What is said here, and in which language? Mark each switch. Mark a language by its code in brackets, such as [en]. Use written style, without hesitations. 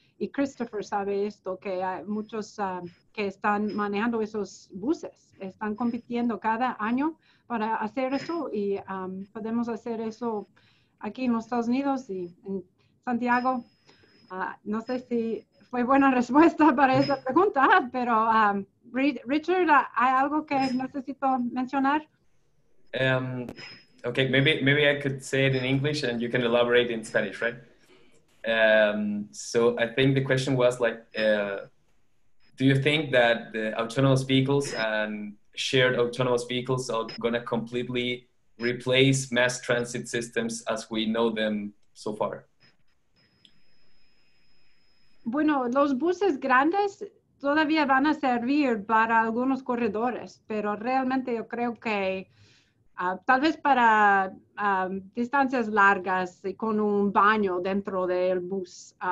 [es] Y Christopher sabe esto, que hay muchos que están manejando esos buses, están compitiendo cada año para hacer eso y podemos hacer eso aquí en los Estados Unidos y en Santiago. No sé si fue buena respuesta para esa pregunta, pero Richard, ¿hay algo que necesito mencionar? [en] Okay, maybe I could say it in English and you can elaborate in Spanish, right? So I think the question was like, do you think that the autonomous vehicles and shared autonomous vehicles are going to completely replace mass transit systems as we know them so far? [es] Bueno, los buses grandes todavía van a servir para algunos corredores, pero realmente yo creo que tal vez para distancias largas y con un baño dentro del bus.